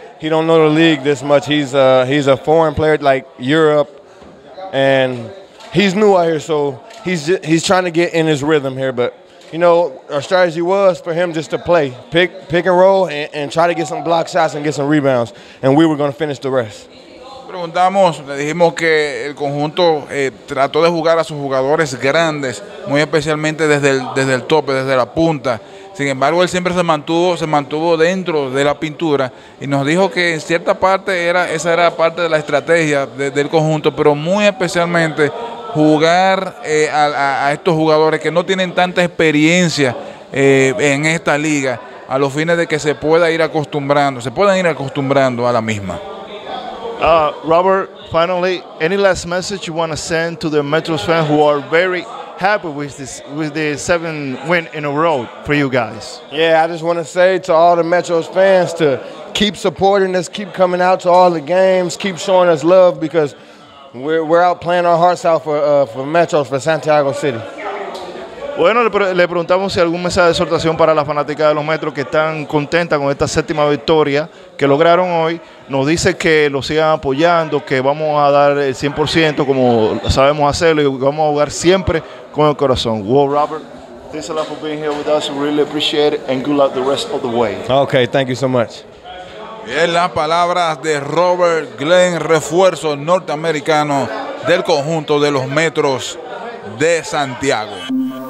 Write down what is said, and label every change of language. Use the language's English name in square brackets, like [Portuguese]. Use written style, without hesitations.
[English] He don't know the league this much. He's a foreign player like Europe, and he's new out here, so he's trying to get in his rhythm here, but. You know, our strategy was for him just to play, pick and roll, and try to get some block shots and get some rebounds, and we were going to finish the rest. [Spanish] Preguntamos, le dijimos que el conjunto trató de jugar a sus jugadores grandes, muy especialmente desde el tope, desde la punta. Sin embargo, él siempre se mantuvo dentro de la pintura y nos dijo que en cierta parte esa era parte de la estrategia del conjunto, pero muy especialmente jugar a estos jugadores que no tienen tanta experiencia en esta liga a los fines de que se puedan ir acostumbrando a la misma. [English] Robert, finally, any last message you want to send to the Metros fans who are very happy with the 7th win in a row for you guys? Yeah, I just want to say to all the Metros fans to keep supporting us, keep coming out to all the games, keep showing us love because we're out playing our hearts out for Metros, for Santiago City. [Spanish] Bueno, le preguntamos si algún mensaje de exhortación para la fanática de los Metros que están contentas con esta 7th victoria que lograron hoy. Nos dice que lo sigan apoyando, que vamos a dar el 100% como sabemos hacerlo y vamos a jugar siempre con el corazón. [English] Well, Robert, thanks a lot for being here with us. We really appreciate it and good luck the rest of the way. Okay, thank you so much. [Spanish] En las palabras de Robert Glenn, refuerzo norteamericano del conjunto de los Metros de Santiago.